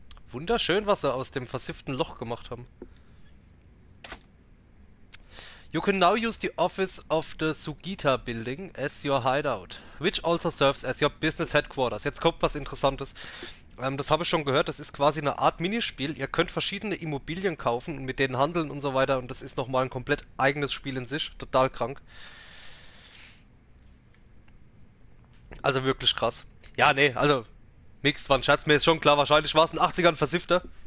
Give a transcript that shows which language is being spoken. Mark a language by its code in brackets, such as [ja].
[de] Wunderschön, was sie aus dem versifften Loch gemacht haben. [en] You can now use the office of the Sugita Building as your hideout, which also serves as your business headquarters. [de] Jetzt kommt was Interessantes. Das habe ich schon gehört, das ist quasi eine Art Minispiel. Ihr könnt verschiedene Immobilien kaufen und mit denen handeln und so weiter. Und das ist nochmal ein komplett eigenes Spiel in sich. Total krank. Also wirklich krass. Ja, nee, also... Mix war ein Scherz, mir ist schon klar, wahrscheinlich war es ein 80ern Versifter.